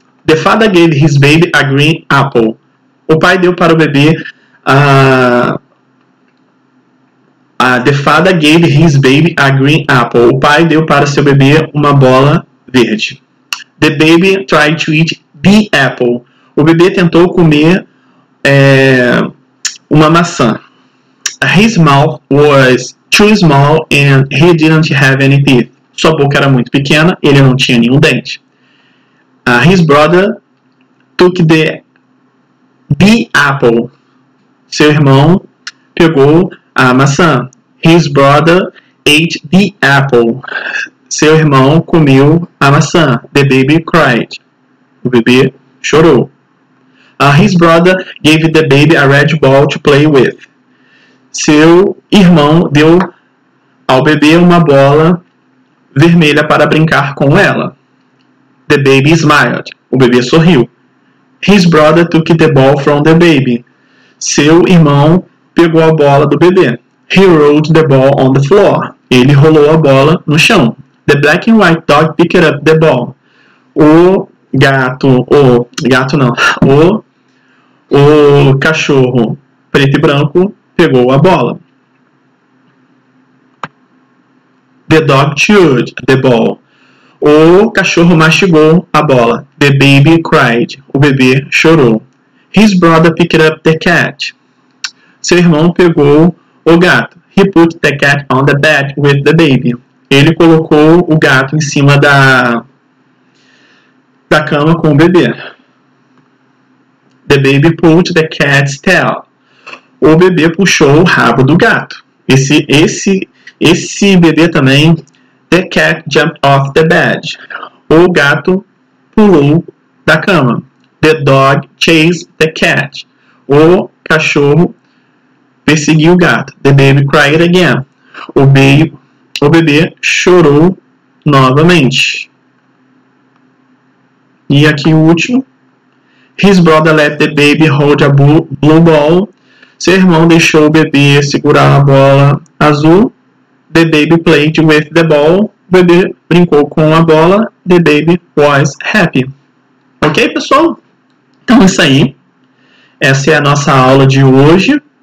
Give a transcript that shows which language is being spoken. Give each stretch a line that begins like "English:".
English: The father gave his baby a green apple.
Portuguese: O pai deu para o bebê a...
English: The father gave his baby a green apple.
Portuguese: O pai deu para seu bebê uma bola verde.
English: The baby tried to eat the apple.
Portuguese: O bebê tentou comer uma maçã.
English: His mouth was too small and he didn't have any teeth.
Portuguese: Sua boca era muito pequena, ele não tinha nenhum dente.
English: His brother took the apple.
Portuguese: Seu irmão pegou a maçã.
English: His brother ate the apple.
Portuguese: Seu irmão comeu a maçã.
English: The baby cried.
Portuguese: O bebê chorou.
English: His brother gave the baby a red ball to play with.
Portuguese: Seu irmão deu ao bebê uma bola vermelha para brincar com ela.
English: The baby smiled.
Portuguese: O bebê sorriu.
English: His brother took the ball from the baby.
Portuguese: Seu irmão pegou a bola do bebê.
English: He rolled the ball on the floor.
Portuguese: Ele rolou a bola no chão.
English: The black and white dog picked up the ball.
Portuguese: O cachorro preto e branco pegou a bola.
English: The dog chewed the ball.
Portuguese: O cachorro mastigou a bola.
English: The baby cried.
Portuguese: O bebê chorou.
English: His brother picked up the cat.
Portuguese: Seu irmão pegou o gato.
English: He put the cat on the bed with the baby.
Portuguese: Ele colocou o gato em cima da cama com o bebê.
English: The baby pulled the cat's tail.
Portuguese: O bebê puxou o rabo do gato. Esse bebê também.
English: The cat jumped off the bed.
Portuguese: O gato pulou da cama.
English: The dog chased the cat.
Portuguese: O cachorro perseguiu o gato.
English: The baby cried again.
Portuguese: O bebê chorou novamente. E aqui o último.
English: His brother let the baby hold a blue ball.
Portuguese: Seu irmão deixou o bebê segurar a bola azul.
English: The baby played with the ball.
Portuguese: O bebê brincou com a bola.
English: The baby was happy.
Portuguese: Ok, pessoal? Então é isso aí. Essa é a nossa aula de hoje.